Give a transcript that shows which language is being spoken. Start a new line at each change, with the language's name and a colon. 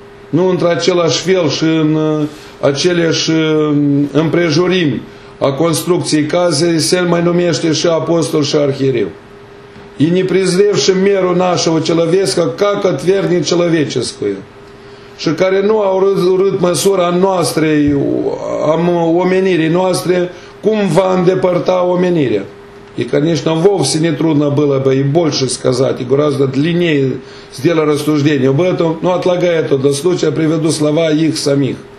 Romanian: Nu într-același fel și în aceleași împrejurimi a construcției casei, se mai numește și apostol și arhiereu.
Russian: И не презревши меру нашего человеческого, как отвергнет человеческое.
Romanian: Și care nu au urât măsura noastrei, omenirii noastre, cum va îndepărta omenirea.
Russian: И, конечно, вовсе не трудно было бы и больше сказать, и гораздо длиннее сделать рассуждение об этом, но отлагая это до случая, приведу слова их самих.